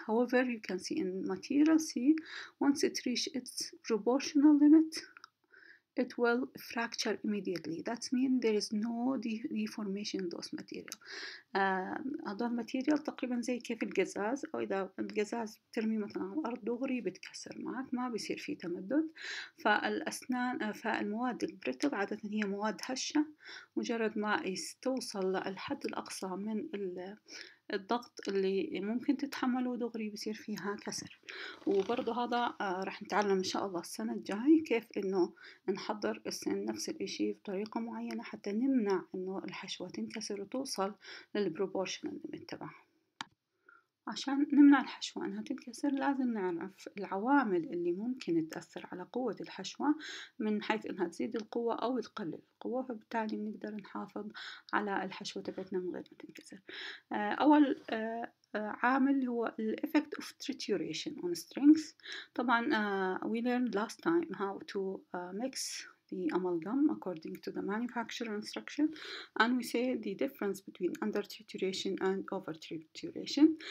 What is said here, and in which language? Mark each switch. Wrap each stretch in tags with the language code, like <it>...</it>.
<en>However, you can see in material C, once it reach its proportional limit, it will fracture immediately. That means there is no deformation in those material.</en> <ar>هذول material تقريبا زي كيف القزاز، أو إذا القزاز ترمي مثلا على الأرض دغري بتكسر معك، ما بيصير فيه تمدد. فالأسنان فالمواد البريتل عادة هي مواد هشة، مجرد ما توصل للحد الأقصى من الضغط اللي ممكن تتحمله دغري بيصير فيها كسر. وبرضو هذا رح نتعلم إن شاء الله السنة الجاي كيف إنه نحضر السن نفس الإشي بطريقة معينة حتى نمنع إنه الحشوة تنكسر وتوصل للبروبورشنال ليميت تبعها. عشان نمنع الحشوة أنها تنكسر لازم نعرف العوامل اللي ممكن تأثر على قوة الحشوة من حيث أنها تزيد القوة أو تقلل القوة، فبالتالي بنقدر نحافظ على الحشوة تبعتنا من غير ما تنكسر. أول عامل هو الـ</ar> <en>effect of trituration on strings. طبعا we learned last time how to mix the amalgam according to the manufacturer instruction, and we say the difference between under trituration and over trituration.</en>